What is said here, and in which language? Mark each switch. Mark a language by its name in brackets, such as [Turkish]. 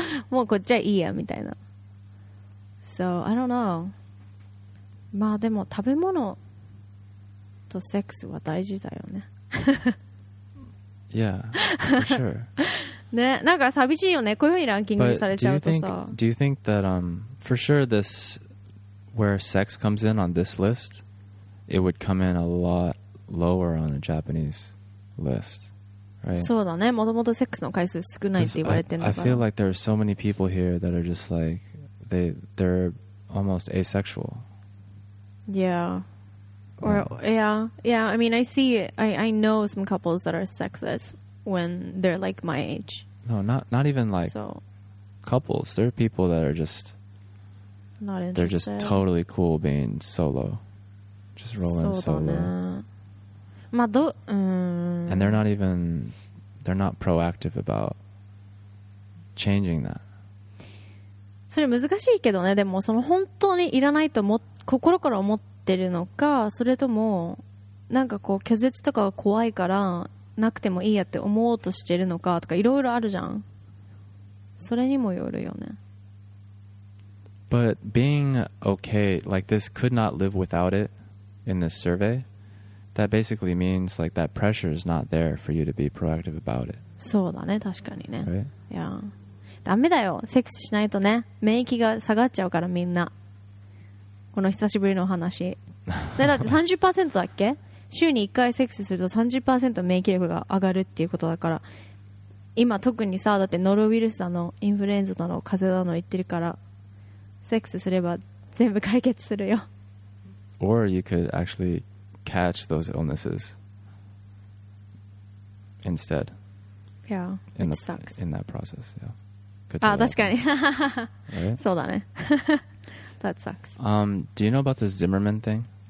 [Japanese] もうこっちはいいやみたいな。 [English] So I don't know。 [Japanese] まあでも食べ物とセックスは大事だよね。 [English] Yeah, for sure。 [Japanese] ね、なんか寂しいよねこういう風にランキングされちゃうとさ。 [English] Do you think that for sure this where sex comes in on this list it would come in a lot lower on a JapaneseList, right? [Japanese] そうだね。もともとセックスの回数少ないって言われてるから。 [English] I feel like there are so many people here that are just like they're almost asexual. Yeah. I mean, I see. I know some couples that are sexless when they're like my age. No, not even like so. Couples. There are people that are just not interested. They're just totally cool being solo. Just rolling solo. And they're not even... They're not proactive about changing that. [Japanese] それ難しいけどね。でもその本当にいらないと心から思ってるのか、それともなんかこう拒絶とかが怖いからなくてもいいやって思おうとしてるのかとか、いろいろあるじゃん。それにもよるよね。 [English] But being okay, like this could not live without it in this survey, that basically means like that pressure is not there for you to be proactive about it. [Japanese] そうだね、確かにね。 [English] Right? Yeah. [Japanese] ダメだよ、セックスしないとね、免疫が下がっちゃうからみんな。この久しぶりの話。だって 30% だっけ？週に1回セックスすると 30% 免疫力が上がるっていうことだから、今特にさ、だってノロウイルスだの、インフルエンザだの、風邪だの言ってるから、セックスすれば全部解決するよ。 [English] Or you could actually catch those illnesses instead. Yeah, in which sucks. In that process, yeah. Good to know. Ah, 確かに。 Right? [Japanese] そうだね。 That sucks. [English] Do you know about the Zimmerman thing?